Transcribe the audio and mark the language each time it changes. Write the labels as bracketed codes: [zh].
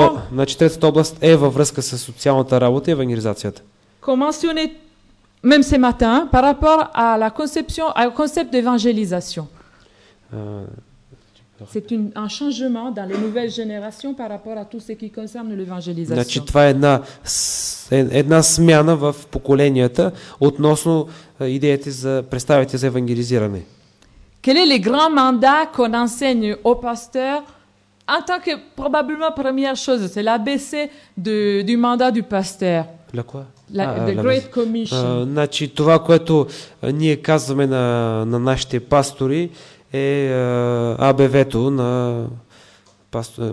[bg] Значи третата област е във връзка с социалната работа и евангелизацията. [fr] Commencé même ce matin par rapport à la conception, au concept d'évangélisation. C'est un changement dans les nouvelles générations par rapport à tout ce qui concerne l'évangélisation. [bg] Значи това е една смяна в поколенията относно идеите за представите за евангелизиране. [fr] Quel est le grand mandat qu'on enseigne aux pasteurs? En tant que probablement première chose, c'est l'ABC du mandat du pasteur. La quoi? [en] Great Commission. [bg] Значи това, което ние казваме на нашите пастори е АБВ-то на пастора.